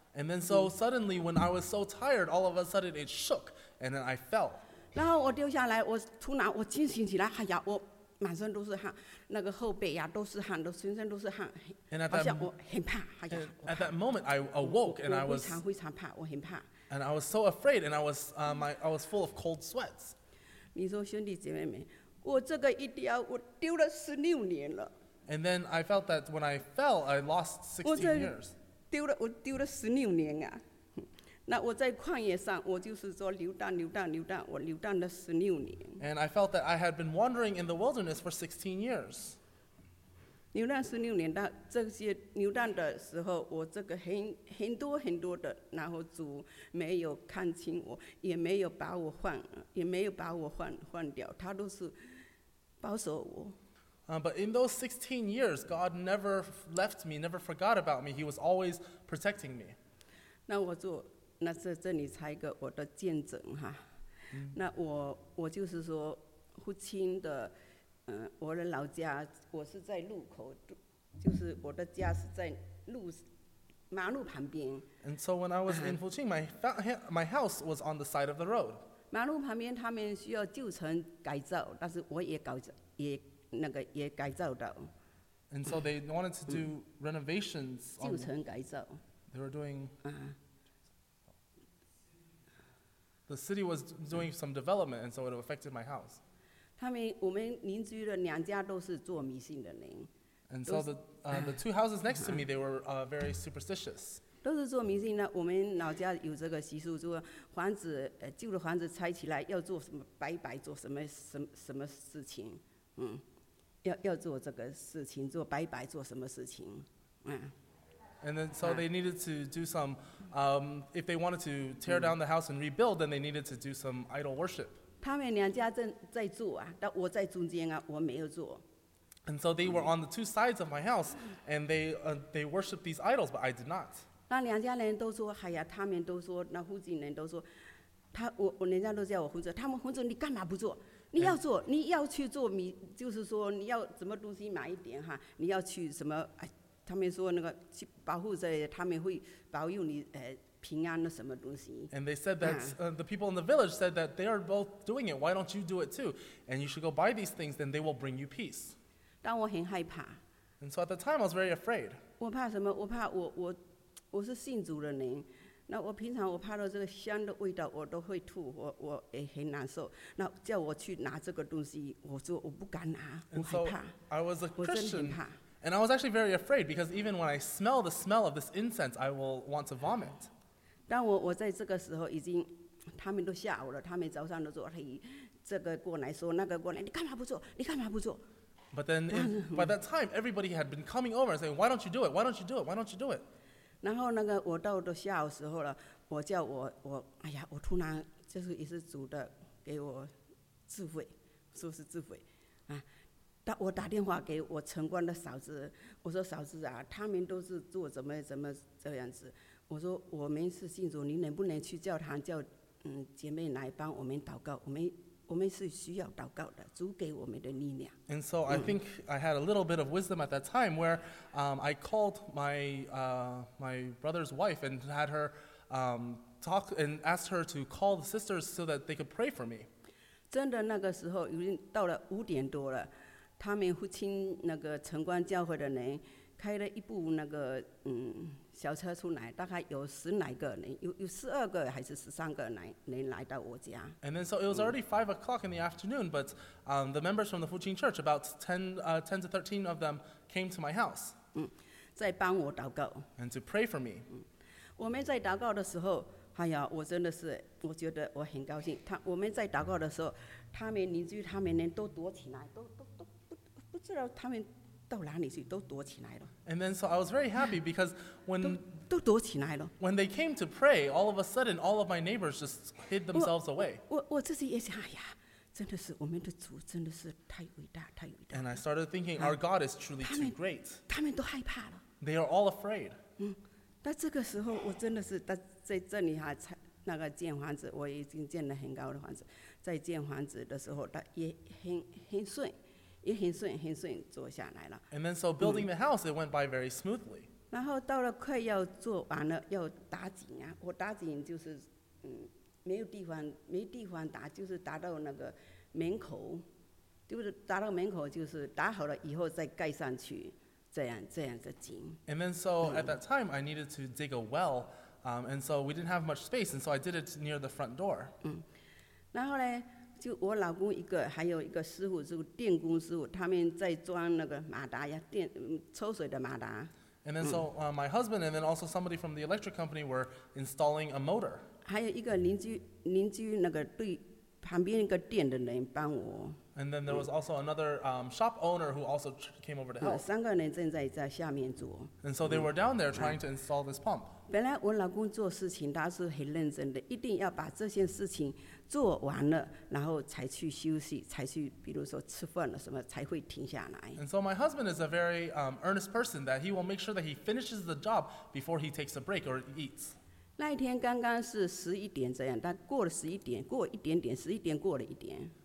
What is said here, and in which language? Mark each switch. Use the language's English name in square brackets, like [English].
[English] And then so suddenly when I was so tired, all of a sudden it shook, and then I fell. [Chinese] 然后我丢下来，我突然我惊醒起来，哎呀，我满身都是汗，那个后背呀都是汗，都全身都是汗，好像我很怕，哎呀。 [English] At that moment I awoke and I was [Chinese] 非常非常怕，我很怕。 [English] And I was so afraid, and I was full of cold sweats. [Chinese] 你说兄弟姐妹们，我这个一掉，我丢了十六年了。 [English] And then I felt that when I fell, I lost 16 years. [Chinese] 丢了，我丢了十六年啊。那我在旷野上，我就是说流荡、流荡、流荡，我流荡了十六年。 [English] And I felt that I had been wandering in the wilderness for 16 years. [Chinese] 流荡十六年，但这些流荡的时候，我这个很多的，然后主没有看清我，也没有把我换，也没有把我换掉，他都是保守我。 [English] But in those 16 years, God never left me, never forgot about me. He was always protecting me. [Chinese] 那我做。那这里才一个我的见证哈，那我就是说父亲的，我的老家我是在路口，就是我的家是在路马路旁边。 [English] And so when I was in Fuqing, my house was on the side of the road. [Chinese] 马路旁边他们需要旧城改造，但是我也搞也那个也改造到。 [English] And so they wanted to do renovations. [Chinese] 旧城改造。 [English] They were doing. The city was doing some development, and so it affected my house. [Chinese] 他们我们邻居的两家都是做迷信的人。 [English] And so the two houses next to me, they were very superstitious. [Chinese] 都是做迷信的。我们老家有这个习俗，就是房子旧的房子拆起来要做什么拜拜，做什么事情，要做这个事情，做拜拜，做什么事情， [English] And then, so they needed to do some, if they wanted to tear down the house and rebuild, then they needed to do some idol worship. [Chinese] 他们两家正在住啊，但我在中间啊，我没有住。 [English] And so they were on the two sides of my house, and they worshiped these idols, but I did not. [Chinese] 那两家人都说，哎呀，他们都说，那附近人都说，他我人家都叫我胡子，他们胡子，你干嘛不做？你要做，你要去做米，就是说你要什么东西买一点哈，你要去什么哎。他们说那个去保护着，他们会保佑你平安的什么东西。 [English] And they said that the people in the village said that they are both doing it. Why don't you do it too? And you should go buy these things, then they will bring you peace. [Chinese] 但我很害怕。 [English] And so at the time, I was very afraid. [Chinese] 我怕什么？我怕我是信主的人，那我平常我怕到这个香的味道我都会吐，我也很难受。那叫我去拿这个东西，我说我不敢拿，我害怕。 [English] I was a Christian. And I was actually very afraid because even when I smell the smell of this incense, I will want to vomit. [Chinese] 但我在这个时候已经，他们都吓我了。他们早上都说：“嘿，这个过来说，那个过来，你干嘛不做？你干嘛不做？” [English] But then, by that time, everybody had been coming over and saying, "Why don't you do it? Why don't you do it? Why don't you do it?" [Chinese] 然后那个我到的下午时候了，我叫我哎呀，我突然就是也是主的给我智慧，说是智慧啊。我打电话给我陈冠的嫂子，我说嫂子啊，他们都是做怎么这样子。我说我们是信主，你能不能去教堂叫姐妹来帮我们祷告？我们是需要祷告的，主给我们的力量。 [English] And so I think I had a little bit of wisdom at that time where I called my brother's wife and had her talk and asked her to call the sisters so that they could pray for me. [Chinese] 真的那个时候已经到了五点多了。他们父亲那个城关教会的人开了一部那个小车出来，大概有十来个人，有十二个还是十三个人来到我家。 [English] And then so it was already 5 o'clock in the afternoon, but the members from the Fuqing Church, about 10 to 13 of them, came to my house. [Chinese] 在帮我祷告。 [English] And to pray for me. [Chinese] 我们在祷告的时候，哎呀，我真的是我觉得我很高兴。我们在祷告的时候，他们邻居他们人都躲起来， [English] And then so I was very happy because when they came to pray, all of a sudden, all of my neighbors just hid themselves away. [Chinese] 我自己也想，哎呀，真的是我们的主真的是太伟大，太伟大。 [English] And I started thinking, our God is truly too great. [Chinese] 他们都害怕了。 [English] They are all afraid. [Chinese] 那这个时候我真的是在这里哈，那个建房子我已经建了很高的房子，在建房子的时候，他也很顺。也很顺，很顺做下来了。 [English] And then, so building the house, it went by very smoothly. [Chinese] 然后到了快要做完了，要打井啊。我打井就是，没地方打，就是打到那个门口，就是打到门口，就是打好了以后再盖上去，这样的井。 [English] And then, so at that time, I needed to dig a well, And so we didn't have much space, and so I did it near the front door. [Chinese] 嗯，然后呢，就我老公一个，还有一个师傅，就电工师傅，他们在装那个马达呀，电抽水的马达。 [English] And then so my husband and then also somebody from the electric company were installing a motor. [Chinese] 还有一个邻居那个对旁边一个店的人帮我。 [English] And then there was also another shop owner who also came over to help. [Chinese] 三个人正在下面做。 [English] And so they were down there trying to install this pump. [Chinese] 本来我老公做事情他是很认真的，一定要把这件事情做完了，然后才去休息，才去比如说吃饭了什么才会停下来。 [English] And so my husband is a very earnest person that he will make sure that he finishes the job before he takes a break or eats. [Chinese] 那一天刚刚是十一点这样，但过了十一点，过一点点，十一点过了一点。